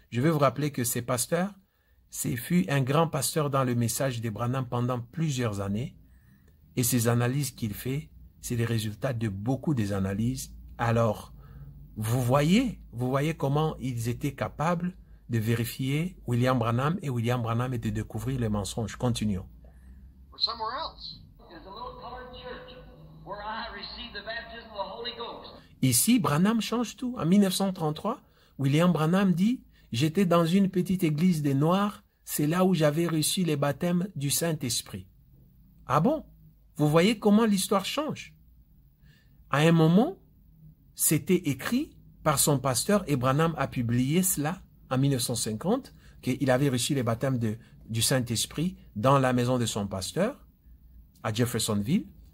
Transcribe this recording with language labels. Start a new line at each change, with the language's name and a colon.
French: Je veux vous rappeler que ce pasteur, fut un grand pasteur dans le message de Branham pendant plusieurs années. Et ces analyses qu'il fait, c'est les résultats de beaucoup des analyses. Alors, vous voyez comment ils étaient capables de vérifier William Branham et William Branham et de découvrir les mensonges. Continuons.
English: We're somewhere else. There's a little colored church where I received the baptism of the Holy Ghost.
French: Ici, Branham change tout. En 1933, William Branham dit, j'étais dans une petite église des Noirs, c'est là où j'avais reçu les baptêmes du Saint-Esprit. Ah bon? Vous voyez comment l'histoire change. À un moment, c'était écrit par son pasteur et Branham a publié cela en 1950, qu'il avait reçu les baptêmes du Saint-Esprit dans la maison de son pasteur à Jeffersonville.